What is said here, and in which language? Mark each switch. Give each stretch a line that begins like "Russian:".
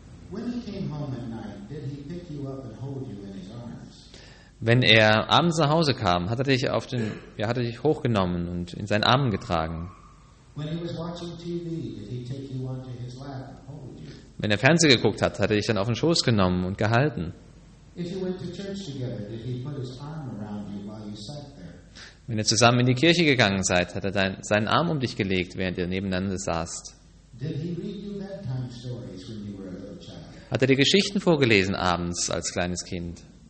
English: when he came home at night, did he pick you up and hold you in his arms?
German: Wenn er abends nach Hause kam, hat er dich hochgenommen und in seinen Armen getragen.
English: When he was watching TV, did he take you onto his lap and hold you?
German: Wenn er Fernsehen geguckt hat, hat er dich dann auf den Schoß genommen und gehalten.
English: If you went to church together, did he put his arm around you while you sat there?
German: Wenn ihr zusammen in die Kirche gegangen seid, hat er seinen Arm um dich gelegt, während ihr nebeneinander saßt. Hat er dir Geschichten vorgelesen abends als kleines Kind?